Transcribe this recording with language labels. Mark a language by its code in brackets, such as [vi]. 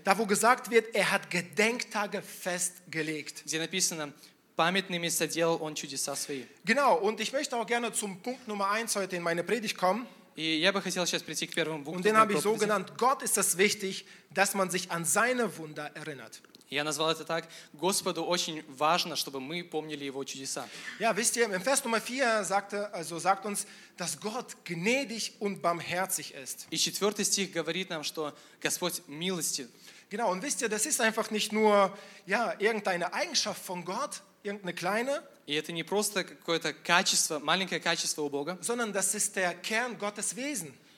[de] Da, wo gesagt wird, er hat Gedenktage festgelegt. [ru] Где написано, памятными соделал он чудеса свои. [de] Genau, und ich möchte auch gerne zum Punkt Nummer 1 heute in meine Predigt kommen. [ru] И я бы хотел сейчас прийти к первому пункту. [de] Und den habe ich so genannt, Gott ist es wichtig, dass man sich an seine Wunder erinnert. [ru] Я назвал это так: Господу очень важно, чтобы мы помнили его чудеса. [de] Ja, wisst ihr, im Vers Nummer 4 sagt uns, dass Gott gnädig und barmherzig ist. [ru] И 4 стих говорит нам, что Господь милостив. [de] Genau, und wisst ihr, das ist einfach nicht nur irgendeine Eigenschaft von Gott, irgendeine kleine. [ru] И это не просто какое-то качество, маленькое качество у Бога. [de] Sondern das ist der Kern Gottes Wesen.